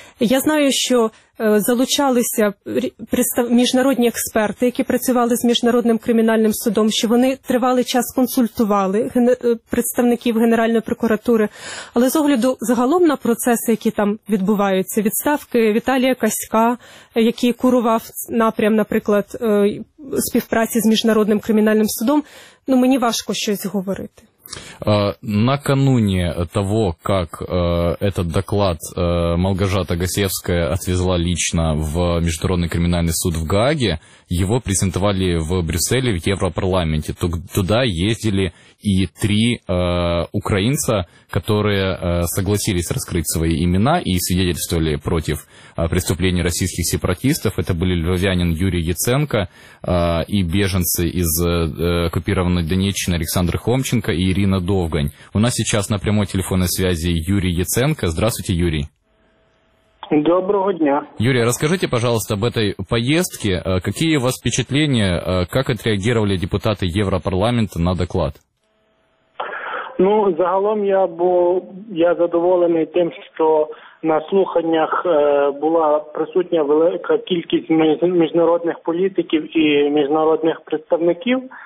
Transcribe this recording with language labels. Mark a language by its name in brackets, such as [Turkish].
[Ukrainian] Я знаю, що залучалися міжнародні експерти, які працювали з Міжнародним кримінальним судом, що вони тривалий час консультували представників Генеральної прокуратури. Але з огляду загалом на процеси, які там відбуваються, відставки Віталія Каська, який курував напрям, наприклад, співпраці з Міжнародним кримінальним судом, ну мені важко щось говорити. [Russian] Накануне того, как этот доклад Малгожата Гасевская отвезла лично в Международный криминальный суд в Гааге, его презентовали в Брюсселе в Европарламенте. Туда ездили и три украинца, которые согласились раскрыть свои имена и свидетельствовали против преступлений российских сепаратистов. Это были львовянин Юрий Яценко и беженцы из оккупированной Донеччины Александр Хомченко и Ирина Довгань. У нас сейчас на прямой телефонной связи Юрий Яценко. Здравствуйте, Юрий. [Ukrainian] Доброго дня. [Russian] Юрий, расскажите, пожалуйста, об этой поездке. Какие у вас впечатления, как отреагировали депутаты Европарламента на доклад? [Ukrainian] Ну, загалом я задоволений тим, що на слуханнях була присутня велика кількість міжнародних політиків і міжнародних представників.